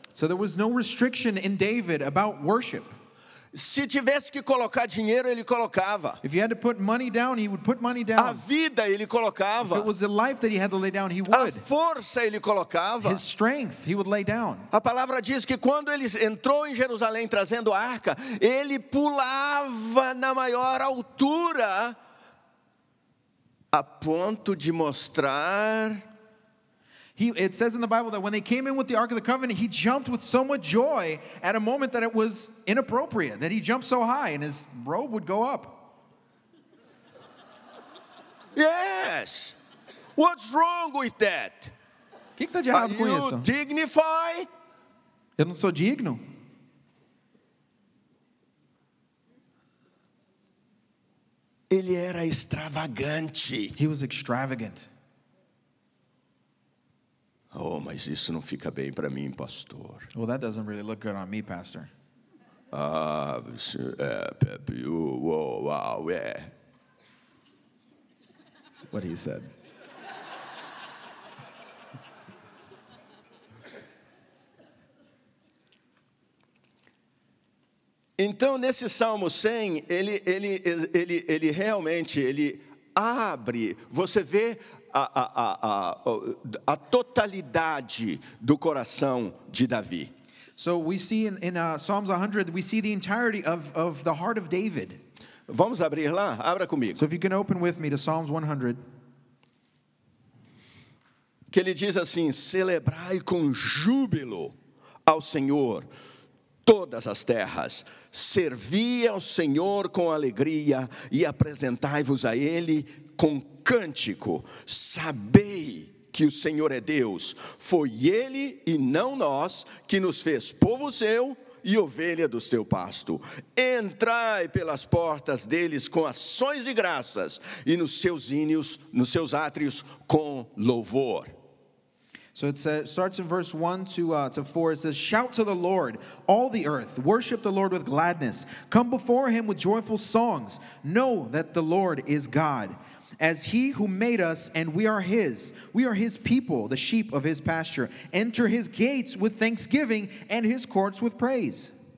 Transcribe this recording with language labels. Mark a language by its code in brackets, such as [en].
[en] So there was no restriction in David about worship. [pt] Se tivesse que colocar dinheiro, ele colocava. [en] If he had to put money down, he would put money down. [pt] A vida, ele colocava. [en] If it was the life that he had to lay down, he would. [pt] A força, ele colocava. [en] His strength, he would lay down. [pt] A palavra diz que quando ele entrou em Jerusalém trazendo a arca, ele pulava na maior altura a ponto de mostrar. [en] It says in the Bible that when they came in with the Ark of the Covenant, he jumped with so much joy at a moment that it was inappropriate, that he jumped so high and his robe would go up. Yes. What's wrong with that? [pt] Que tá de errado com isso? [en] You dignify? [pt] Eu não sou digno. Ele era extravagante. [en] He was extravagant. [pt] Oh, mas isso não fica bem para mim, pastor. [en] Well, that doesn't really look good on me, pastor. Ah, yeah. What he said. [pt] Então, nesse Salmo 100, ele realmente ele abre, você vê a totalidade do coração de Davi. [en] So we see in Psalms 100, we see the entirety of the heart of David. [pt] Vamos abrir lá? Abra comigo. [en] So if you can open with me to Psalms 100. [pt] Que ele diz assim: celebrai com júbilo ao Senhor todas as terras, servi ao Senhor com alegria e apresentai-vos a Ele com cântico. Sabei que o Senhor é Deus, foi Ele e não nós que nos fez povo seu e ovelha do seu pasto. Entrai pelas portas deles com ações de graças e nos seus ínios, nos seus átrios com louvor. [en] So it starts in verse 1 to 4. It says, shout to the Lord, all the earth. Worship the Lord with gladness. Come before him with joyful songs. Know that the Lord is God. As he who made us, and we are his. We are his people, the sheep of his pasture. Enter his gates with thanksgiving and his courts with praise.